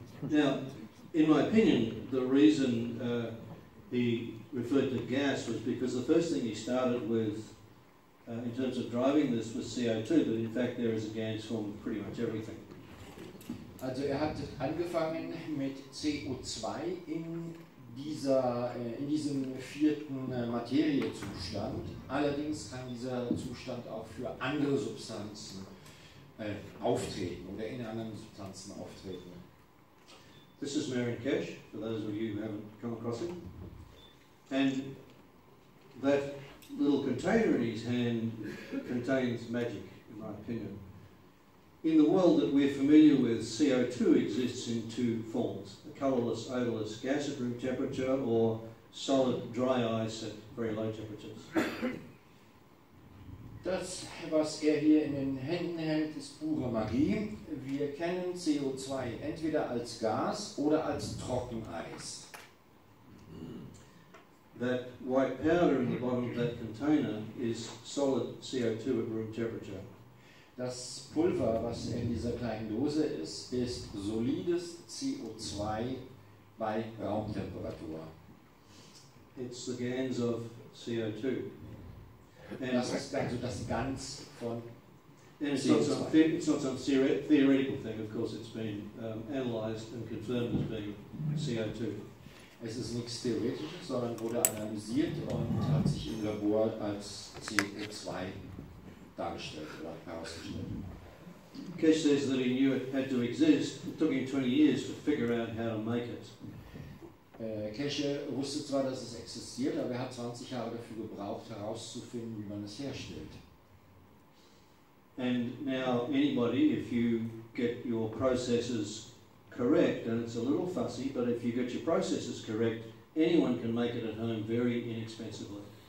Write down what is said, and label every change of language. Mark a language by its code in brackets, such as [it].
[en] Now, in my opinion, the reason he referred to gas was because the first thing he started with in terms of driving this was CO2, but in fact there is a gas form of pretty much everything. [de] Also hat angefangen mit CO2 in diesem vierten Materiezustand. Allerdings kann dieser Zustand auch für andere Substanzen auftreten oder in anderen Substanzen auftreten. [en] This is Marin Keshe, for those of you who haven't come across him. And that little container in his hand contains magic, in my opinion. In the world that we're familiar with, CO2 exists in two forms, a colourless, odourless gas at room temperature or solid, dry ice at very low temperatures. [de] Das, was hier in den Händen hält, ist pure Magie. Wir kennen CO2 entweder als Gas oder als Trockeneis. [en] That white powder in the bottom of that container is solid CO2 at room temperature. [de] Das Pulver, was in dieser kleinen Dose ist, ist solides CO2 bei Raumtemperatur. [en] It's the gans of CO2. [de] And das ist also das Gans von [en] It's not some theoretical thing, of course, it's been analyzed and confirmed as being CO2. [de] Es ist nichts Theoretisches, sondern wurde analysiert und hat sich im Labor als CO2 dargestellt oder herausgestellt. [en] Keshe says that he knew it had to exist. It took him 20 years to figure out how to make it. [de] Keshe wusste zwar, dass es existiert, aber er hat 20 Jahre dafür gebraucht, herauszufinden, wie man es herstellt. [en] And now anybody, if you get your processes correct, and it's a little fussy, but if you get your processes correct, anyone can make it at home very inexpensively.